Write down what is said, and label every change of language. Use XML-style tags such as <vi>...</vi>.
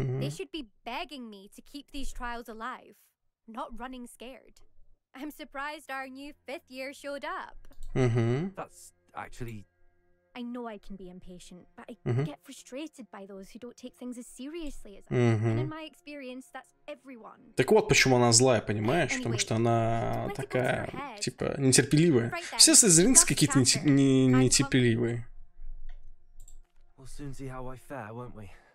<en>They should be begging me to keep these trials alive. Not running scared. I'm surprised our new fifth year showed up. That's actually... I know I can be impatient, but I get frustrated by those who don't take things as seriously as I And in my experience, that's everyone.</en> <ru>Так вот, почему она злая, понимаешь? Anyway, потому что она такая, типа, нетерпеливая. Все слизеринцы какие-то нетерпеливые.</ru> <en>We'll soon see how I fare, won't we?</en>